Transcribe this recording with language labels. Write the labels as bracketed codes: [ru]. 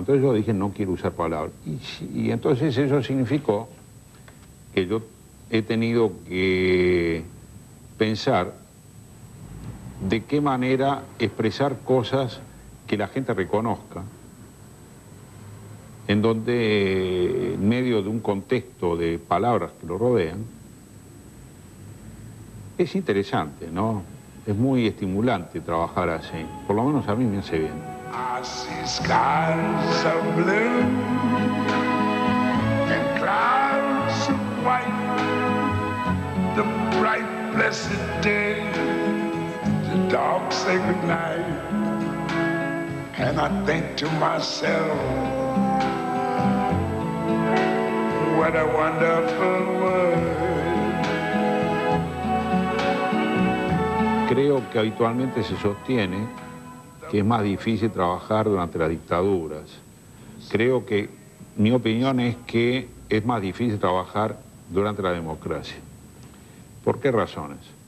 [es] Entonces yo dije, no quiero usar palabras. Y entonces eso significó que yo he tenido que pensar de qué manera expresar cosas que la gente reconozca, en donde, en medio de un contexto de palabras que lo rodean, es interesante, ¿no? Es muy estimulante trabajar así. Por lo menos a mí me hace bien. [en] Así es casa blue, the clouds are white, the bright blessed day, the dark sacred night, and I think to myself, what a wonderful world. [es] Creo que habitualmente se sostiene que es más difícil trabajar durante las dictaduras. Creo que mi opinión es que es más difícil trabajar durante la democracia. ¿Por qué razones?